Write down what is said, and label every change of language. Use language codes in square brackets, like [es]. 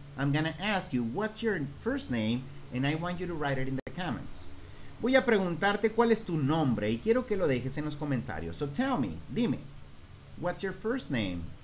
[en] I'm going to ask you, what's your first name? And I want you to write it in the comments. [es] Voy a preguntarte cuál es tu nombre y quiero que lo dejes en los comentarios. [en] So tell me, [es] dime, [en] what's your first name?